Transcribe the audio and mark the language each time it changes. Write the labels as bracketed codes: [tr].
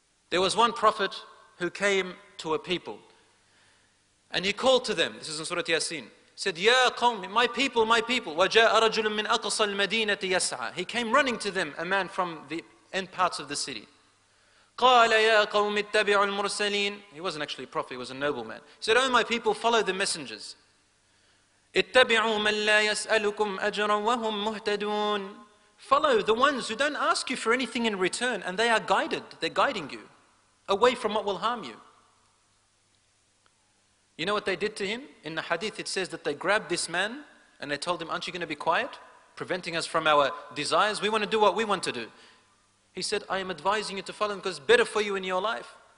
[en] There was one prophet who came to a people. And he called to them. This is in Surah Yasin. Said, [ar] يَا قَوْمِ, [en] my people, my people. [ar] وَجَاءَ رَجُلٌ مِّنْ أَقْصَى الْمَدِينَةِ يَسْعَى. [en] He came running to them, a man from the end parts of the city. [ar] قَالَ يَا قَوْمِ اتَّبِعُوا الْمُرْسَلِينَ. [en] He wasn't actually a prophet, he was a nobleman. He said, oh my people, follow the messengers. [ar] اتبعوا من لا يسألكم أجرا وهم مهتدون. [en] Follow the ones who don't ask you for anything in return, and they are guided. They're guiding you away from what will harm you. You know what they did to him? In the hadith, it says that they grabbed this man and they told him, aren't you going to be quiet? Preventing us from our desires? We want to do what we want to do. He said, I am advising you to follow him because it's better for you in your life.